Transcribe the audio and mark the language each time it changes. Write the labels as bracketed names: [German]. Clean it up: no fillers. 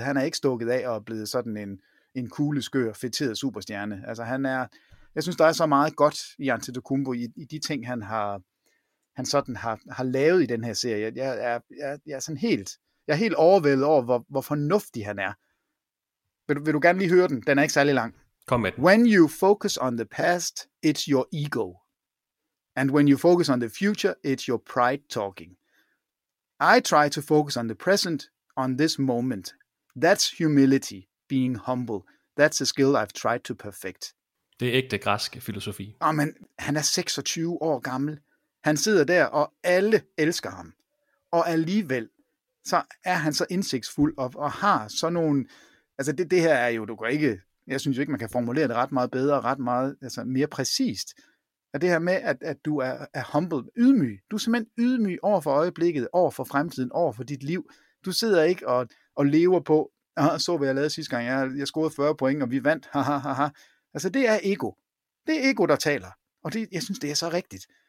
[Danish] Han er ikke stukket af og blevet sådan en kugleskør, fedteret superstjerne. Altså han er, jeg synes, der er så meget godt i Antetokounmpo, i de ting, han har lavet i den her serie. Jeg er helt overvældet over, hvor fornuftig han er. Vil du gerne lige høre den? Den er ikke særlig lang. Kom med. [English] When you focus on the past, it's your ego. And when you focus on the future, it's your pride talking. I try to focus on the present, on this moment. That's humility, being humble. That's a skill I've tried to perfect. [Danish] Det er ægte græsk filosofi. Men han er 26 år gammel. Han sidder der, og alle elsker ham. og alligevel så er han så indsigtsfuld og har så nogle, altså det her er jo, du går ikke, jeg synes jo ikke, man kan formulere det ret meget bedre, ret meget, altså mere præcist, at det her med, at du er humble, ydmyg, du er simpelthen ydmyg over for øjeblikket, over for fremtiden, over for dit liv, du sidder ikke og lever på, så hvad jeg lavede sidste gang, jeg scorede 40 point, og vi vandt, altså det er ego, det er ego, der taler, og det, jeg synes, det er så rigtigt.